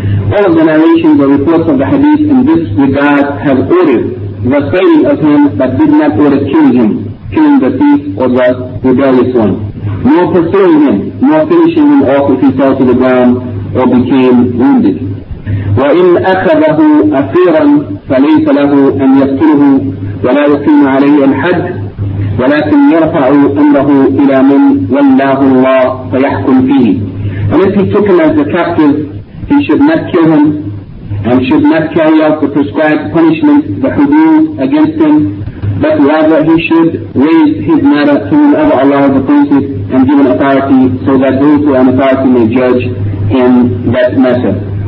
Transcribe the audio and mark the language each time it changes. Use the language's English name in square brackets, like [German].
[English] All of the narrations or reports of the hadith in this regard have ordered the failing of him but did not order killing him, killing the thief or the rebellious one, nor pursuing him, nor finishing him off if he fell to the ground or became wounded. [Arabic] وَإِنْ أَخَذَهُ أَسِيرًا فَلَيْسَ لَهُ أَنْ يَقْتُلُهُ ولا يقيم عليه الحد ولكن يرفع امره الى من ولاه الله فيحكم فيه. [English] And if he took him as a captive, he should not kill him and should not carry out the prescribed punishment, the hudud, against him, but rather he should raise his matter to whomever Allah has appointed and given authority, so that those who are in authority may judge in that matter.